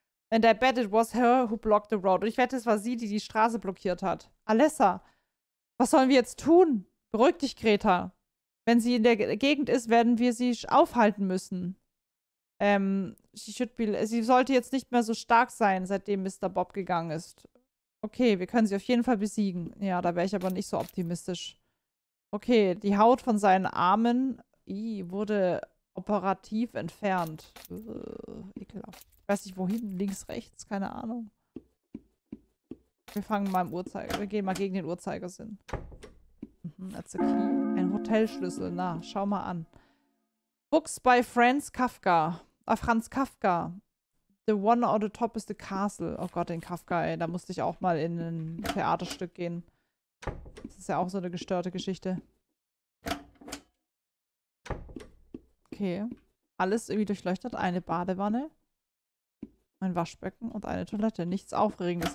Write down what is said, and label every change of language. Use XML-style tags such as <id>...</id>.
<en>And I bet it was her who blocked the road.</en> <de>Und ich wette, es war sie, die Straße blockiert hat. Alessa, was sollen wir jetzt tun? Beruhig dich, Greta. Wenn sie in der Gegend ist, werden wir sie aufhalten müssen. Sie sollte jetzt nicht mehr so stark sein, seitdem Mr. Bob gegangen ist. Okay, wir können sie auf jeden Fall besiegen. Ja, da wäre ich aber nicht so optimistisch. Okay, die Haut von seinen Armen wurde operativ entfernt. Ekelhaft. Ich weiß nicht, wohin. Links, rechts? Keine Ahnung. Wir gehen mal gegen den Uhrzeigersinn.</de> <en>That's a key.</en> <de>Ein Hotelschlüssel. Na, schau mal an.</de> <en>Books by Franz Kafka.</en> <de>Franz Kafka.</de> <en>The one on the top is the castle.</en> <de>Oh Gott, den Kafka, ey. Da musste ich auch mal in ein Theaterstück gehen. Das ist ja auch so eine gestörte Geschichte. Okay. Alles irgendwie durchleuchtet. Eine Badewanne. Ein Waschbecken und eine Toilette. Nichts Aufregendes.</de>